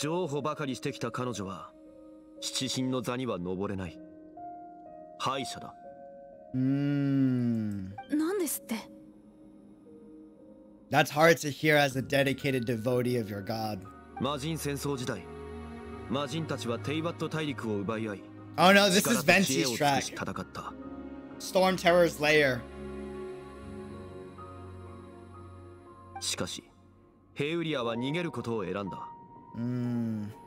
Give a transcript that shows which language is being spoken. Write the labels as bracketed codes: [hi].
[ja] 譲歩ばかりしてきた彼女は七神の座には登れない敗者だ。何ですって。 [en] That's hard to hear as a dedicated devotee of your god. [ja] 魔人戦争時代、魔人たちはテイバット大陸を奪い合い、 [en] Oh no, this is Venti's track. Storm Terror's Lair. [ja] しかし、ヘウリアは逃げることを選んだ。